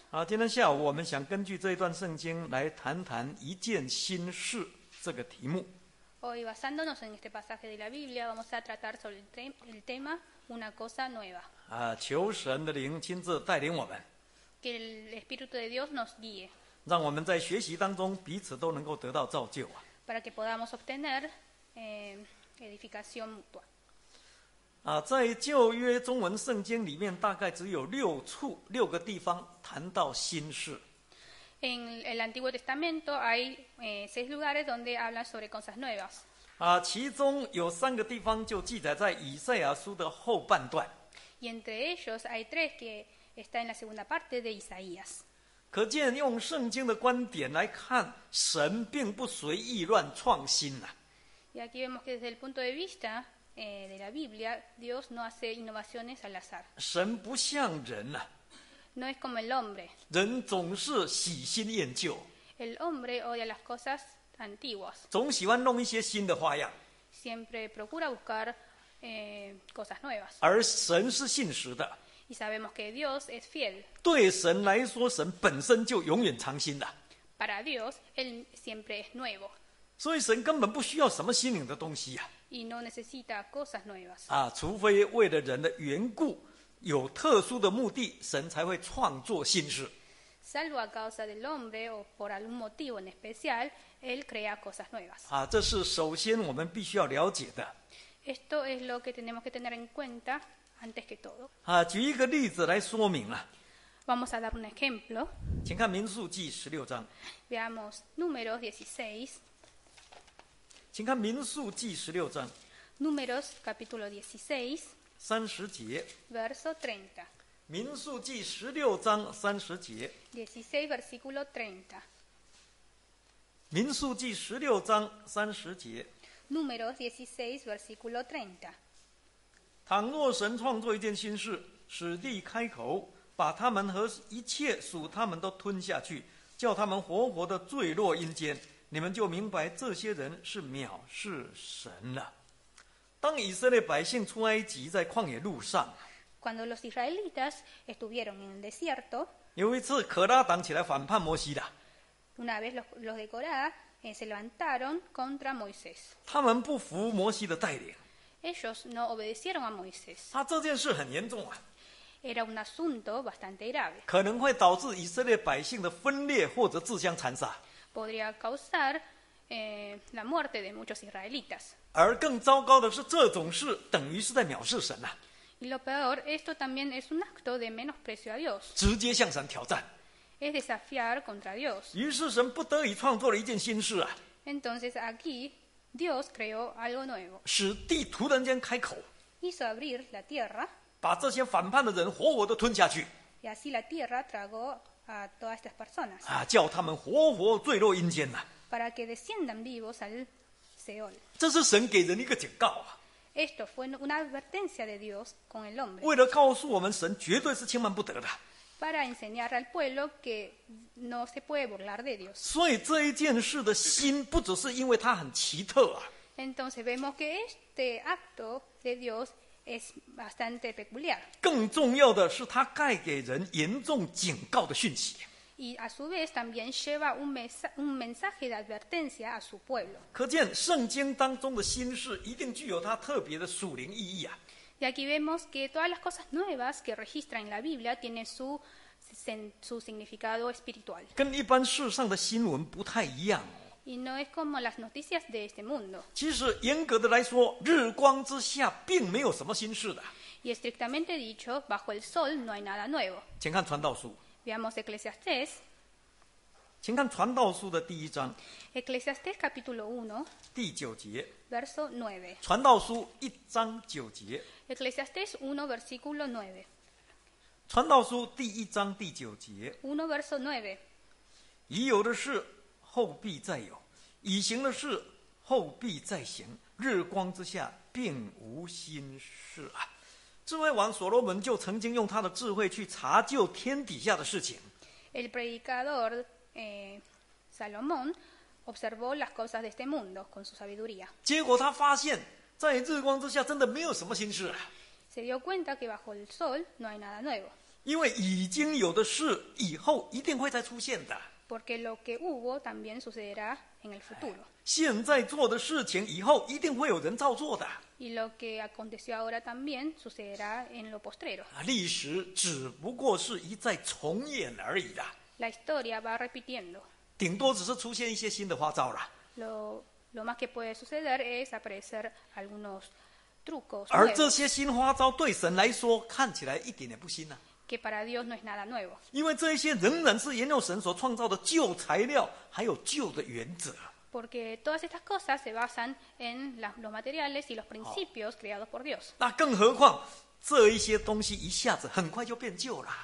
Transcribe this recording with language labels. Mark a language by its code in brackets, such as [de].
[zh] 啊，今天下午我们想根据这一段圣经来谈谈一件新事这个题目。 [es] Hoy basándonos en este pasaje de la Biblia, vamos a tratar sobre el tema una cosa nueva。 [zh] 啊，求神的灵亲自带领我们。 [es] Que el Espíritu de Dios nos guíe。 [zh] 让我们在学习当中彼此都能够得到造就啊。 [es] Para que podamos obtener edificación mutua。 [zh] 啊，在旧约中文圣经里面，大概只有六个地方谈到心事。 [es] En el Antiguo Testamento hay seis lugares donde hablan sobre cosas nuevas。 [zh] 啊，其中有三个地方就记载在以赛亚书的后半段。 [es] Y entre ellos hay tres que está en la segunda parte de Isaías。 [zh] 可见用圣经的观点来看，神并不随意乱创新呐。 [es] Y aquí vemos que desde el punto de vista de la Biblia, Dios no hace innovaciones al azar. [zh] 神不像人呐。 [es] No es como el hombre. [zh] 人总是喜新厌旧。 [es] El hombre odia las cosas antiguas. [zh] 总喜欢弄一些新的花样。 [es] Siempre procura buscar cosas nuevas. [zh] 而神是信实的。 [es] Y sabemos que Dios es fiel. [zh] 对神来说，神本身就永远常新的。 [es] Para Dios, él siempre es nuevo. [zh] 所以神根本不需要什么心灵的东西啊。 [es] Y no necesita cosas nuevas. [zh] 啊，除非为了人的缘故，有特殊的目的，神才会创作新事。 [es] Salvo a causa del hombre o por algún motivo en especial, él crea cosas nuevas. [zh] 啊，这是首先我们必须要了解的。 [es] Esto es lo que tenemos que tener en cuenta. Antes que todo. [zh] 啊，举一个例子来说明了。 [es] Vamos a dar un ejemplo. [zh] 请看民数记十六章。 [es] Veamos Números 16. [zh] 请看民数记十六章。 [es] Números capítulo 16. [zh] 三十节。 [es] Verso 30. [zh] 民数记十六章三十节。 [es] 16 versículo 30. [zh] 民数记十六章三十节。 [es] Números 16 versículo 30. [zh] 倘若神创作一件新事，使地开口，把他们和一切属他们都吞下去，叫他们活活的坠落阴间，你们就明白这些人是藐视神了。当以色列百姓出埃及，在旷野路上， [es] Cuando los israelitas estuvieron en el desierto, [zh] 有一次可拉党起来反叛摩西的。 [es] Una vez los de Corá se levantaron contra Moisés. [zh] 他们不服摩西的带领。 [es] Ellos no obedecieron a Moisés. [zh] 啊，这件事很严重啊。 [es] Era un asunto bastante grave. [zh] 可能会导致以色列百姓的分裂或者自相残杀。 [es] Podría causar la muerte de muchos israelitas. [zh] 而更糟糕的是，这种事等于是在藐视神啊。 [es] Y lo peor, esto también es un acto de menosprecio a Dios. [zh] 直接向神挑战。 [es] Es desafiar contra Dios. [zh] 于是神不得已创作了一件新事啊。 [es] Entonces aquí. Dios creó algo nuevo. [zh] 使地突然间开口。 [es] Hizo abrir la tierra. [zh] 把这些反叛的人活活的吞下去。 [es] Y así la tierra tragó a todas estas personas. [zh] 啊，叫他们活活坠落阴间呐。 [es] Para que desciendan vivos al Seol. [zh] 这是神给人一个警告啊。 [es] Esto fue una advertencia de Dios con el hombre. [zh] 为了告诉我们，神绝对是轻慢不得的。 [es] Para enseñar al pueblo que no se puede burlar de Dios. [zh] 所以这一件事的心不只是因为它很奇特啊。 [es] Entonces vemos que este acto de Dios es bastante peculiar. [zh] 更重要的是，它带给人严重警告的讯息。 [es] y a su vez también lleva un mensaje de advertencia a su pueblo. [zh] 可见圣经当中的心事一定具有它特别的属灵意义啊。 [es] Y aquí vemos que todas las cosas nuevas que registra en la Biblia tienen su significado espiritual. [zh] 跟一般世上的新闻不太一样。 [es] Y no es como las noticias de este mundo. [zh] 其实严格的来说，日光之下并没有什么新事的。 [es] Y estrictamente dicho, bajo el sol no hay nada nuevo. [zh] 请看传道书。 [es] Veamos Eclesiastés. [zh] 请看传道书的第一章。 [es] Eclesiastés capítulo 1. [zh] 第九节。 [es] Verso 9. [zh] 传道书一章九节。 [es] Eclesiastés 1 versículo 9. [zh] 传道书第一章第九节。 [es] 1 verso 9. [zh] 已有的事，后必再有；已行的事，后必再行。日光之下，并无新事啊。智慧王所罗门就曾经用他的智慧去查究天底下的事情。 [es] El predicador Salomón observó las cosas de este mundo con su sabiduría. [zh] 结果他发现，在日光之下真的没有什么新事。 [es] Se dio cuenta que bajo el sol no hay nada nuevo. [zh] 因为已经有的事，以后一定会再出现的。 [es] Porque lo que hubo también sucederá en el futuro. [zh] 现在做的事情，以后一定会有人照做的。 [es] Y lo que aconteció ahora también sucederá en lo postrero. [zh] 历史只不过是一再重演而已的。 [es] La historia va repitiendo. [zh] 顶多只是出现一些新的花招了。 [es] Lo más que puede suceder es aparecer algunos trucos. [zh] 而这些新花招对神来说看起来一点也不新呢。 [es] Que para Dios no es nada nuevo. [zh] 因为这些仍然是沿用神所创造的旧材料，还有旧的原则。 [es] Porque todas estas cosas se basan en los materiales y los principios creados por Dios. [zh] 那更何况这一些东西一下子很快就变旧了。